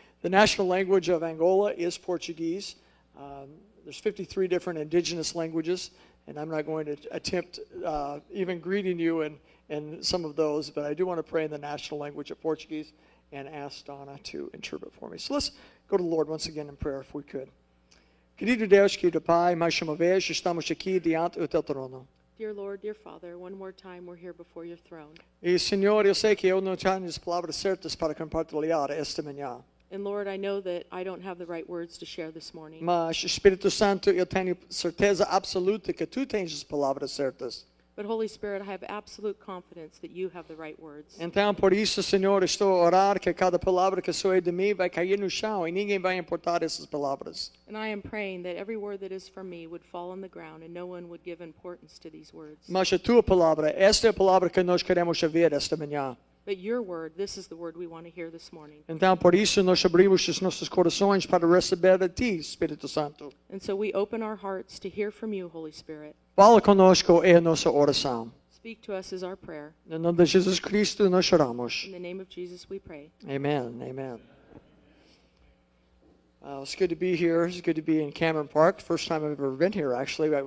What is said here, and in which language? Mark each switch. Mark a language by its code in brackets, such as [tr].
[en] The national language of Angola is Portuguese. There's 53 different indigenous languages, and I'm not going to attempt even greeting you in some of those, but I do want to pray in the national language of Portuguese and ask Donna to interpret for me. So let's go to the Lord once again in prayer, if we could. [pt] Querido Deus, querido Pai, mais uma vez, estamos aqui diante do teu trono. [en] Dear Lord, dear Father, one more time we're here before your throne. [pt] E Senhor, eu sei que eu não tenho as palavras certas para compartilhar esta manhã. [en] And Lord, I know that I don't have the right words to share this morning. [pt] Mas Espírito Santo, eu tenho certeza absoluta que tu tens as palavras certas. [en] But Holy Spirit, I have absolute confidence that you have the right words. [pt] Então, por isso, Senhor, estou a orar que cada palavra que sair de mim vai cair no chão e ninguém vai importar essas palavras. [en] And I am praying that every word that is from me would fall on the ground and no one would give importance to these words. [pt] Mas a tua palavra, esta é a palavra que nós queremos ouvir esta manhã. [en] But your word, this is the word we want to hear this morning. [pt] Então, por isso, nós abrimos os nossos corações para receber a ti, Espírito Santo. [en] And so we open our hearts to hear from you, Holy Spirit. [pt] Fala conosco, é a nossa oração. [en] Speak to us is our prayer. [pt] No nome de Jesus Cristo, nós oramos. [en] In the name of Jesus, we pray. Amen, amen. Well, it's good to be here. It's good to be in Cameron Park. First time I've ever been here, actually.